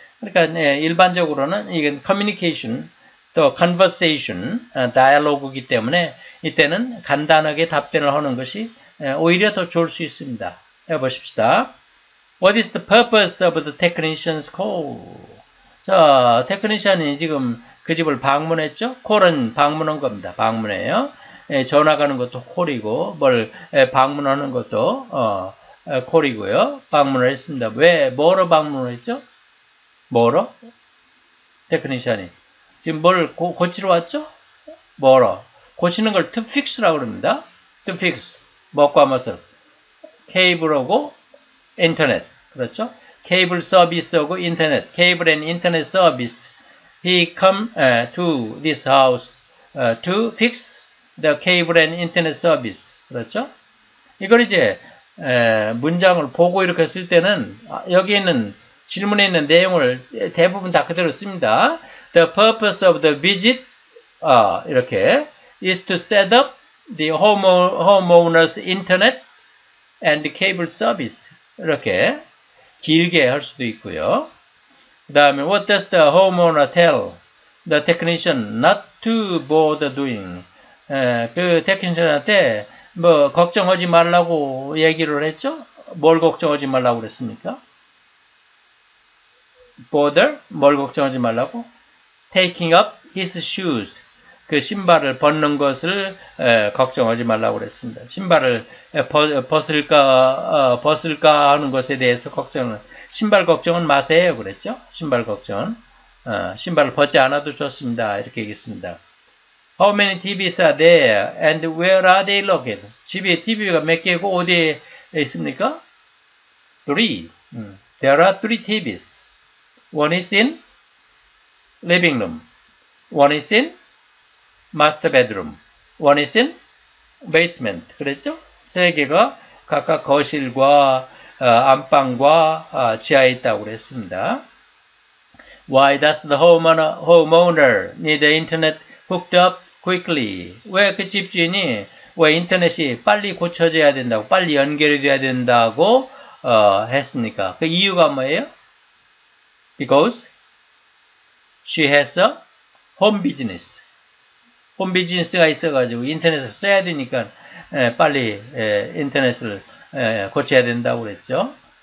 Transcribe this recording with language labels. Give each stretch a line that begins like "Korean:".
Korean: 그러니까 일반적으로는 이건 커뮤니케이션 또 컨버세이션 다이아로그이기 때문에 이때는 간단하게 답변을 하는 것이 오히려 더 좋을 수 있습니다. 해보십시다.
English: What is the purpose of the technician's call?
Korean: 자, 테크니션이 지금 그 집을 방문했죠? 콜은 방문한 겁니다. 방문해요. 전화 가는 것도 콜이고, 뭘 방문하는 것도 콜이고요. 방문을 했습니다. 왜, 뭐로 방문을 했죠? 뭐로? 테크니션이. 지금 뭘 고치러 왔죠? 뭐로? 고치는 걸
English: to fix
Korean: 라고 합니다. to fix. 먹과 맛을. 케이블하고 인터넷. 그렇죠? 케이블 서비스하고 인터넷. 케이블 앤 인터넷 서비스.
English: He come to this house to fix the cable and internet service.
Korean: 그렇죠? 이걸 이제 문장을 보고 이렇게 쓸 때는 여기 있는 질문에 있는 내용을 대부분 다 그대로 씁니다.
English: The purpose of the visit
Korean: 이렇게
English: is to set up the homeowner's internet and cable service.
Korean: 이렇게 길게 할 수도 있고요. 그 다음에
English: What does the homeowner tell the technician not to bother doing?
Korean: 그 technician한테 뭐 걱정하지 말라고 얘기를 했죠? 뭘 걱정하지 말라고 그랬습니까?
English: Bother?
Korean: 뭘 걱정하지 말라고?
English: Taking up his shoes.
Korean: 그 신발을 벗는 것을 걱정하지 말라고 그랬습니다. 신발을 벗을까 하는 것에 대해서 걱정은 신발 걱정은 마세요 그랬죠. 신발 걱정은 신발을 벗지 않아도 좋습니다. 이렇게 얘기했습니다.
English: How many TVs are there and where are they located?
Korean: 집에 TV가 몇 개고 어디에 있습니까?
English: There are three TVs. One is in living room. One is in master bedroom. One is in basement.
Korean: 그랬죠? 세 개가 각각 거실과 안방과 지하에 있다고 그랬습니다.
English: Why does the homeowner need the internet hooked up quickly?
Korean: 왜 그 집주인이 왜 인터넷이 빨리 고쳐져야 된다고 빨리 연결이 돼야 된다고 했습니까? 그 이유가 뭐예요?
English: Because she has a home business.
Korean: 홈비즈니스가 있어가지고 인터넷을 써야 되니까 빨리 인터넷을 고쳐야 된다고 그랬죠.